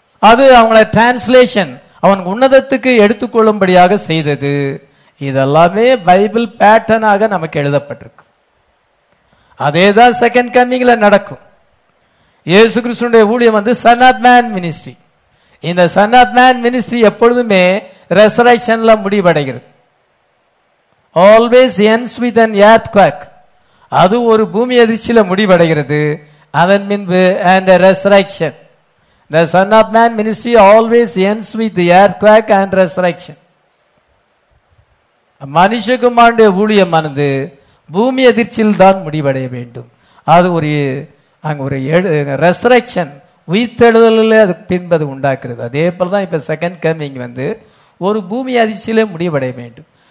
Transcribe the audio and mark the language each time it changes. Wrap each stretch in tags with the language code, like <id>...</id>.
<ta>அது அவங்களை டிரான்ஸ்லேஷன் அவன் உன்னதத்துக்கு எடுத்துக்கொள்ளும்படியாக செய்தது இதெல்லாமே பைபிள் பேட்டர்னாக நமக்கு எழுதப்பட்டிருக்கு அதே தான் செகண்ட் கமிங்ல நடக்கும் இயேசு கிறிஸ்துவின் ஊழியம் வந்து சன் ஆஃப் மேன் மினிஸ்ட்ரி இந்த சன் ஆஃப் மேன் மினிஸ்ட்ரி எப்பொழுதுமே ரெசரக்ஷன்ல முடிவடைகிறது.</ta> <en>Always ends with an earthquake.</en> <ta>அது ஒரு பூமி அதிர்ச்சியில முடிவடைகிறது. அதன் பின்பு</ta> <en>And a resurrection. The Son of Man ministry always ends with the earthquake and resurrection.</en> <ta>மனுஷகுமாருடைய ஊழியமானது பூமி அதிர்ச்சியில் தான் முடிவடைய வேண்டும். அது ஒரு அங்கே ஒரு ரெசரக்ஷன் உயிர்த்தெழுதலில் அது பின்பு அது உண்டாக்குறது. அதே போல் தான் இப்போ செகண்ட் கமிங் வந்து ஒரு பூமி அதிர்ச்சியிலே முடிவடைய வேண்டும்.</ta>